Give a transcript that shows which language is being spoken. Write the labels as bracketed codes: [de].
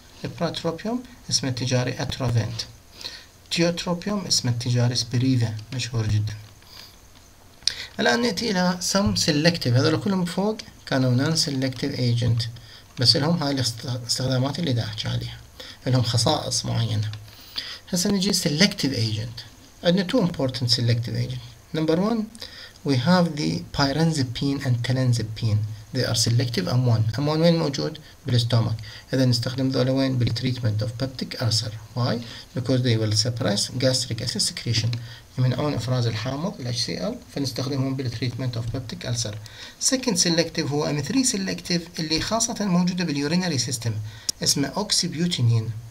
[ar] ابراتروبيوم اسمه التجاري اتروفنت، تيوتروبيوم اسمه التجاري سبريفا مشهور جدا. الان ناتي الى سم سيلكتيف، هذول كلهم فوق كانوا نان سيلكتيف ايجنت بس لهم هاي الاستخدامات اللي دا احكي عليها، لهم خصائص معينه. هسه نجي سيلكتيف ايجنت، عندنا [en] two important selective agent. Number one, we have the pyrenzepine and telenzepine. They are selective ammon. [ar] Ammon وين موجود؟ بالستومك. إذا نستخدم ذولا وين؟ بالتريتمنت اوف peptic ulcer. [en] Why? Because they will suppress gastric acid secretion. [ar] يمنعون إفراز الحامض ال HCl فنستخدمهم بالتريتمنت اوف peptic ulcer. [en] Second selective [ar] هو M3 selective اللي خاصة موجودة باليورينري سيستم اسمه oxybutynin.